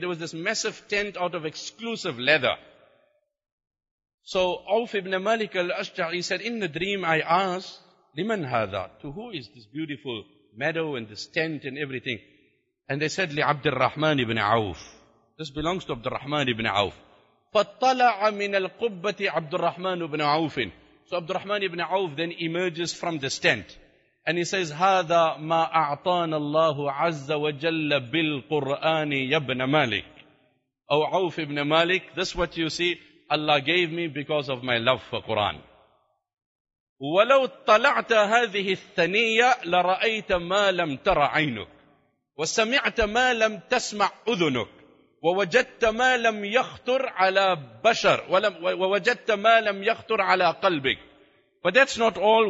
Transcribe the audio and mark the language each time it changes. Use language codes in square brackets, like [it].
[en] There was this massive tent out of exclusive leather. So Awf ibn Malik al-Ashja'i said, in the dream I asked, [ar] لِمَنْ هَذَا. [en] To who is this beautiful meadow and this tent and everything? And they said, [ar] لِعَبْدِ الرَّحْمَنِ [en] ibn Awf. This belongs to Abdurrahman ibn Auf. [ar] فَطَّلَعَ مِنَ الْقُبَّةِ Abdurrahman ibn Aufin. [en] So Abdurrahman ibn Auf then emerges from the tent. And he says, [ar] هَذَا مَا أَعْطَانَ اللَّهُ عَزَّ وَجَلَّ بِالْقُرْآنِ يَبْنَ مَالِكِ. [en] O Auf ibn Malik, this what you see, Allah gave me because of my love for Quran. [ar] وَلَوْ طَلَعْتَ هَذِهِ الثَّنِيَّةِ لَرَأَيْتَ مَا لَمْ تَرَ عَيْنُكِ وَسَمِعْتَ مَا لَمْ تَسْمَعْ أُذُنُكِ وَوَجَدْتَ مَا لَمْ يَخْطُرْ عَلَى بَشَرْ وَوَجَدْتَ مَا لَمْ يَخْطُرْ عَلَى قَلْبِكْ. [en] But that's not all.